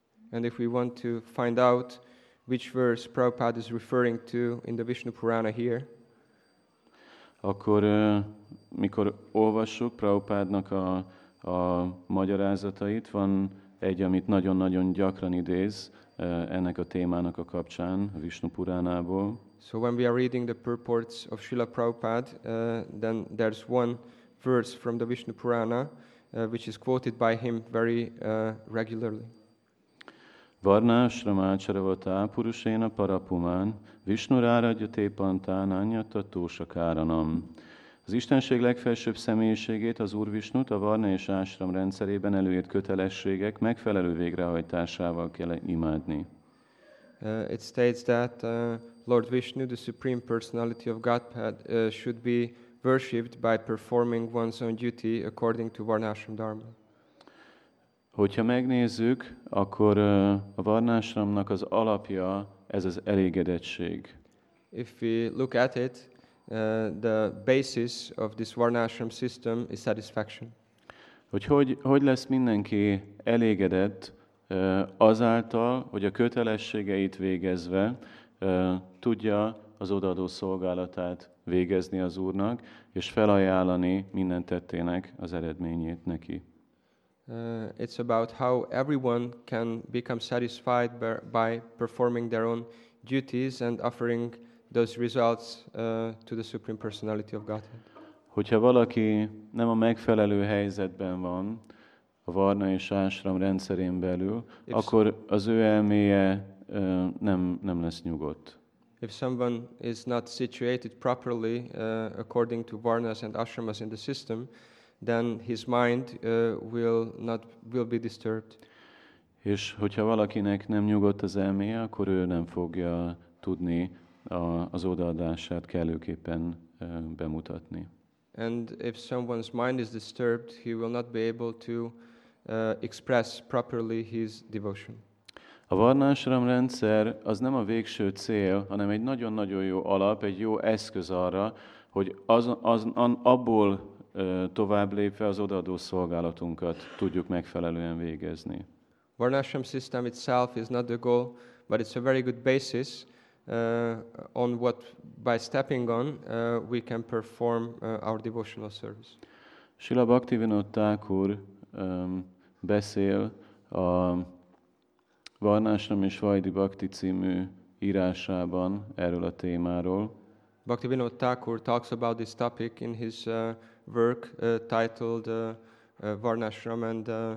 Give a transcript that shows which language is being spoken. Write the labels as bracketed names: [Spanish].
[English] And if we want to find out which verse Prabhupada is referring to in the Vishnu Purana here? [Hungarian] Akkor mikor olvassuk Prabhupádnak a magyarázatait, van egy, amit nagyon-nagyon gyakran idéz ennek a témának a kapcsán a Vishnu Puránából. [English] So when we are reading the purports of Srila Prabhupada, then there's one verse from the Vishnu Purana which is quoted by him very regularly. [Sanskrit] Varnásra mácsaravata purusena parapumán, Vishnurárajya tépantán anyata túlsakáranam. [Hungarian] Az Istenség legfelsőbb személyiségét, az Úr Vishnut a Varna és Ásram rendszerében előírt kötelességek megfelelő végrehajtásával kell imádni. [English] It states that Lord Vishnu, the Supreme Personality of Godhead, should be worshipped by performing one's own duty according to Varnashram Dharma. [Hungarian] Hogyha megnézzük, akkor a Varnásramnak az alapja ez az elégedettség. [English] If we look at it, the basis of this Varnashram system is satisfaction. [Hungarian] Hogy lesz mindenki elégedett azáltal, hogy a kötelességeit végezve tudja az odaadó szolgálatát végezni az Úrnak, és felajánlani minden tettének az eredményét neki. [English] It's about how everyone can become satisfied by performing their own duties and offering those results to the Supreme Personality of Godhead. [Hungarian] Hogyha valaki nem a megfelelő helyzetben van a Varna és Ásram rendszerén belül, akkor az ő elméje nem lesz nyugodt. [English] If someone is not situated properly according to Varnas and Ashramas in the system, then his mind will be disturbed. [Hungarian] És hogyha valakinek nem nyugodt az elméje, akkor ő nem fogja tudni az odaadását kellőképpen bemutatni. [English] And if someone's mind is disturbed, he will not be able to express properly his devotion. [Hungarian] A Varnásram rendszer az nem a végső cél, hanem egy nagyon-nagyon jó alap, egy jó eszköz arra, hogy abból tovább lépve az odaadó szolgálatunkat tudjuk megfelelően végezni. [English] Varnashram system itself is not the goal, but it's a very good basis on what by stepping on we can perform our devotional service. [Hungarian] Srila Bhaktivinoda Thakur beszél a Varnashram és Vajdi Bhakti című írásában erről a témáról. [English] Bhaktivinoda Thakur talks about this topic in his work titled Varnashram and